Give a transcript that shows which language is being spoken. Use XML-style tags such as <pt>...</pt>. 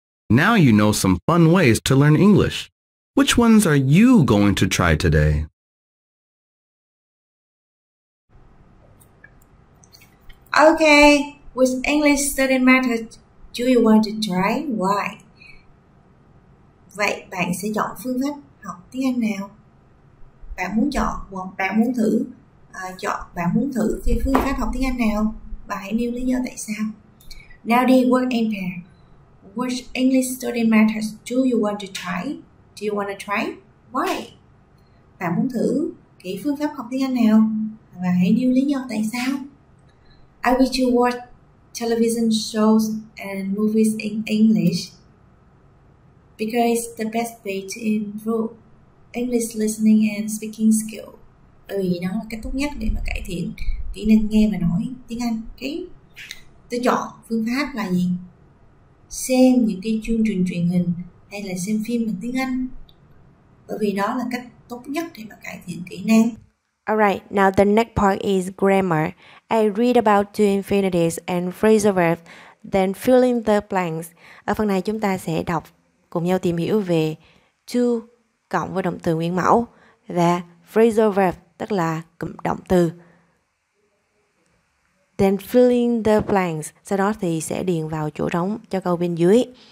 <en>Now you know some fun ways to learn English. Which ones are you going to try today? Okay, which English study method do you want to try? Why?</en> <vi>Vậy bạn sẽ chọn phương pháp học tiếng Anh nào? Bạn muốn chọn hoặc bạn muốn thử bạn muốn thử về phương pháp học tiếng Anh nào? Và hãy nêu lý do tại sao.</vi> <en>Now the word in pair. Which English study methods do you want to try? Do you want to try? Why?</en> <vi>Bạn muốn thử cái phương pháp học tiếng Anh nào? Và hãy nêu lý do tại sao.</vi> <en>I wish you watch television shows and movies in English because it's the best way to improve English listening and speaking skill.</en> <vi>Bởi vì nó là cách tốt nhất để mà cải thiện kỹ năng nghe và nói tiếng Anh. Cái tôi chọn phương pháp là gì? Xem những cái chương trình truyền hình hay là xem phim bằng tiếng Anh. Bởi vì đó là cách tốt nhất để mà cải thiện kỹ năng.</vi> <en>Alright, now the next part is grammar. I read about two infinitives and phrasal verbs, then fill in the blanks.</en> <vi>Ở phần này chúng ta sẽ đọc cùng nhau tìm hiểu về to cộng với động từ nguyên mẫu và phrasal verb, tức là cụm động từ.</vi> <en>Then fill in the blanks.</en> <vi>Sau đó thì sẽ điền vào chỗ trống cho câu bên dưới.</vi>